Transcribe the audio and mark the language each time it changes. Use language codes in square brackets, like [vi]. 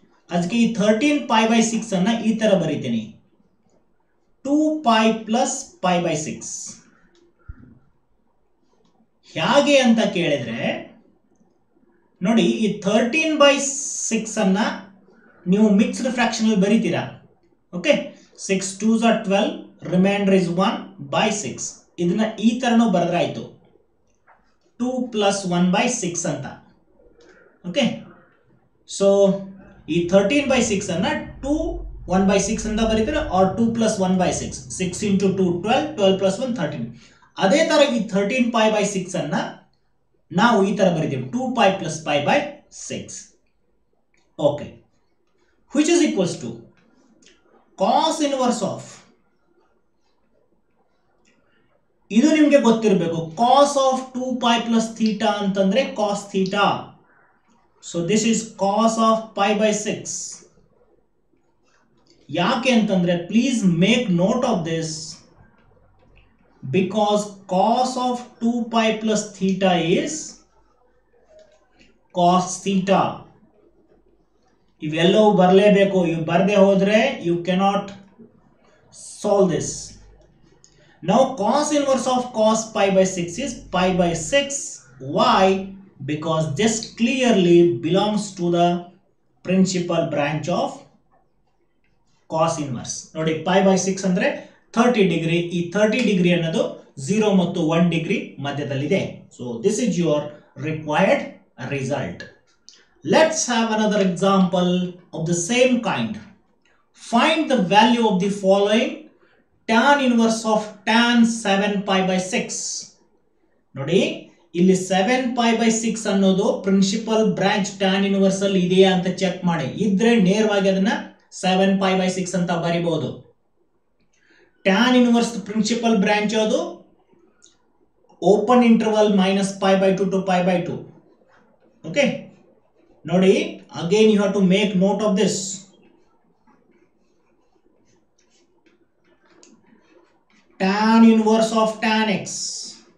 [kn] Ajke 13 pi by 6 anna ee tara baritini, 2 pi plus pi by 6 hyage anta kelidre ನೋಡಿ, ಈ 13 by 6 ಅನ್ನ ನೀವು mixed fraction ಅಲ್ಲಿ ಬರೀತೀರಾ. [en] Okay, 6 2 or 12, remainder is 1 by 6. [kn] ಇದನ್ನ ಈ ತರನೂ ಬರೆದ್ರಾಯ್ತು, 2 plus 1 by 6 ಅಂತ. ಓಕೆ, ಸೊ ಈ 13 ಬೈ 6 ಅನ್ನ 2 1 ಬೈ 6 ಅಂತ ಬರೀತೀರ, R 2 plus 1 by 6, 6 into 2 12, 12 plus 1 13. ಅದೇ ತರ ಈ 13 ಪೈ ಬೈ 6 ಅನ್ನ ನಾವು ಈ ತರ ಬರಿತೀವಿ, 2 pi plus pi by 6. [en] okay, which is equals to cos inverse of, [kn] ಇದು ನಿಮಗೆ ಗೊತ್ತಿರಬೇಕು, [en] Cos of 2 pi plus theta ಅಂತಂದ್ರೆ cos theta. So this is cos of pi by 6. [kn] ಯಾಕೆ ಅಂತಂದ್ರೆ, [en] Please make note of this, because cos of 2 pi plus theta is cos theta. [kn] ಇವೆಲ್ಲವೂ ಬರಲೇಬೇಕು, ಇವು ಬರದೆ ಹೋದ್ರೆ [en] You cannot solve this. Now cos inverse of cos pi by 6 is pi by 6. Why? Because this clearly belongs to the principal branch of cos inverse. [kn] ನೋಡಿ, pi by 6 ಅಂದ್ರೆ 30 degree, ಈ 30 degree ಅನ್ನೋದು 0 ಮತ್ತು 1 degree ಮಧ್ಯದಲ್ಲಿದೆ. [en] So this is your required result. Let's have another example of the same kind. Find the value of the following, tan inverse of tan 7 pi by 6. [kn] ನೋಡಿ, ಇಲ್ಲಿ 7 pi by 6 ಅನ್ನೋದು principal branch tan inverse ಅಲ್ಲಿ ಇದೆಯಾ ಅಂತ check ಮಾಡಿ, ಇದ್ರೆ ನೇರವಾಗಿ ಅದನ್ನ 7 ಪೈ ಬೈ 6 ಅಂತ ಬರಿಬಹುದು. [en] Tan inverse principal branch ಅದು open interval minus pi by 2 to pi by 2. Okay, Nodi, again you have to make note of this. Tan inverse of tan x.